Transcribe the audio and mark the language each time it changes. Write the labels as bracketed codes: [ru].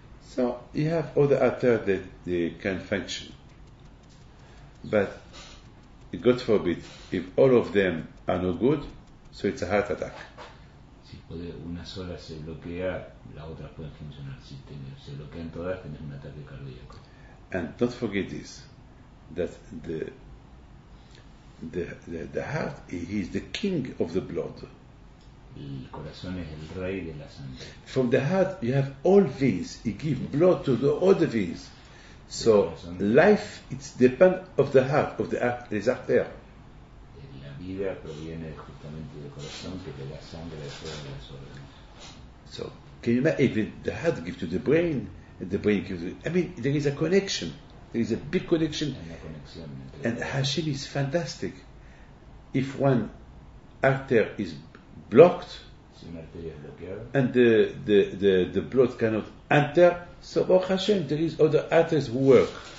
[en] so you have other artères that they can function. But God forbid, if all of them are no good, so it's a heart attack. [es] Una sola se bloquea, las otras pueden funcionar. Si se bloquean todas, tienes un ataque cardíaco. [en] And don't forget this, that the heart is the king of the blood. [es] El corazón es el rey de la sangre. [en] From the heart you have all veins. It gives blood to the other veins. So life, it's depend of the heart, of the heart, [fr] les artères. [es] Vida proviene justamente del corazón, que de la sangre de todas las órganos. [en] So, can you imagine, even the heart gives to the brain, and the brain gives to the... I mean, there is a connection. There is a big connection. And Hashem is fantastic. If one artery is blocked, [es] si una arteria es bloqueada, [en] and the blood cannot enter, so, oh Hashem, there is other arteries who work.